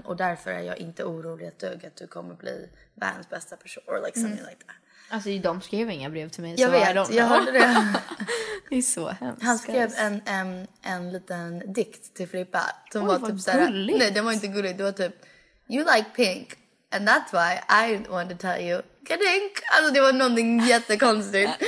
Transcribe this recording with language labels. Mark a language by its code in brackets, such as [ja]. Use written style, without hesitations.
[sv] Och därför är jag inte orolig att dög att du kommer bli världens bästa person. [en] Or like something like that. [sv] Alltså de skrev inga brev till mig. Jag så vet, är de jag hörde det. Det är så hemskt. Han skrev en liten dikt till Filippa. Som oj, var typ såhär, gulligt. Nej, det var inte gulligt. Det var typ, [en] you like pink. And that's why I want to tell you, kadink. [sv] Alltså det var någonting jättekonstigt.